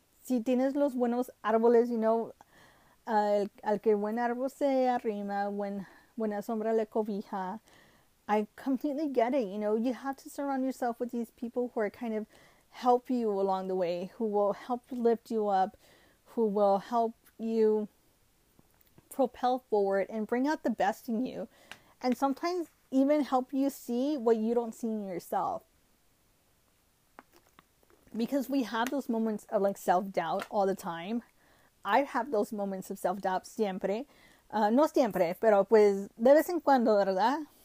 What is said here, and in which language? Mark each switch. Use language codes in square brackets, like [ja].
[es] si tienes los buenos árboles, al que buen árbol se arrima, buena sombra le cobija. [en] I completely get it. You have to surround yourself with these people who are kind of help you along the way, who will help lift you up, who will help you propel forward and bring out the best in you, and sometimes even help you see what you don't see in yourself. Because we have those moments of like self-doubt all the time. I have those moments of self-doubt [es] siempre. No siempre, pero pues de vez en cuando, ¿verdad?